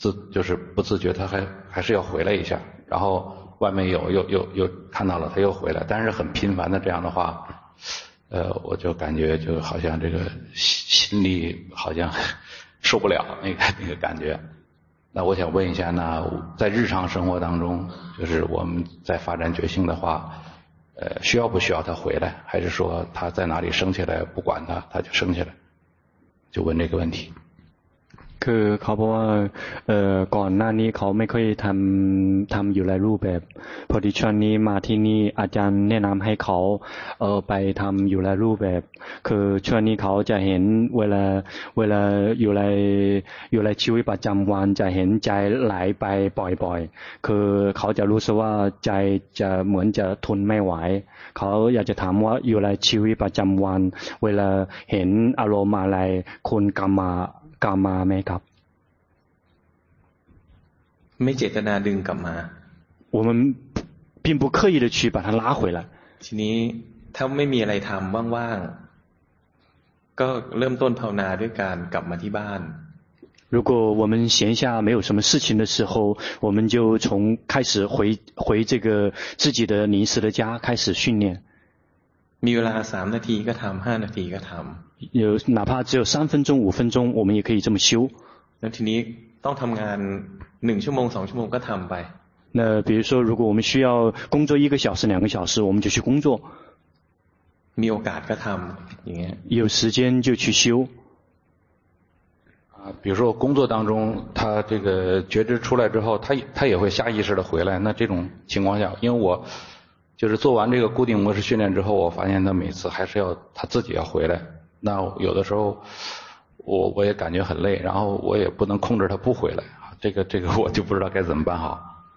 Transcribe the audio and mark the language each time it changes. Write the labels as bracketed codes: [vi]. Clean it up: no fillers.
[zh] 就是不自觉，他还是要回来一下，然后外面又看到了，他又回来，但是很频繁的这样的话，我就感觉就好像这个心里好像受不了那个感觉。那我想问一下，那在日常生活当中，就是我们在发展觉性的话，需要不需要他回来，还是说他在哪里升起来不管他就升起来，就问这个问题。 [th] คือเขาบอกว่าก่อนหน้านี้เขาไม่ค่อยทำอยู่หลายรูปแบบพอดีช่วงนี้มาที่นี่อาจารย์แนะนำให้เขาไปทำอยู่หลายรูปแบบคือช่วงนี้เขาจะเห็นเวลาอยู่ในชีวิตประจำวันจะเห็นใจไหลไปบ่อยๆคือเขาจะรู้สึกว่าใจจะเหมือนจะทนไม่ไหวเขาอยากจะถามว่าอยู่ในชีวิตประจำวันเวลาเห็นอารมณ์อะไรคุณกรรมะกลับมาไหมครับ ไม่เจตนาดึงกลับมา [zh] 我们并不刻意的去把它拉回来 [th] ทีนี้ถ้าไม่มีอะไรทําว่างๆก็เริ่มต้นภาวนาด้วยการกลับมาที่บ้าน [zh] 如果我们闲下没有什么事情的时候我们就从开始回这个自己的临时的家开始训练 [th] มีเวลา3นาทีก็ทํา5นาทีก็ทํา [zh] 有哪怕只有三分钟五分钟我们也可以这么修 [th] 那ทีนี้ต้องทํางาน1ชั่วโมง2ชั่วโมงก็ทําไป [zh] 那比如说如果我们需要工作一个小时两个小时我们就去工作 [th] มีโอกาสก็ทําอย่างเงี้ย [zh] 有时间就去修比如说工作当中他这个觉知出来之后他也会下意识的回来那这种情况下因为我就是做完这个固定模式训练之后我发现他每次还是要他自己要回来那有的时候我也感觉很累然后我也不能控制他不回来这个我就不知道该怎么办好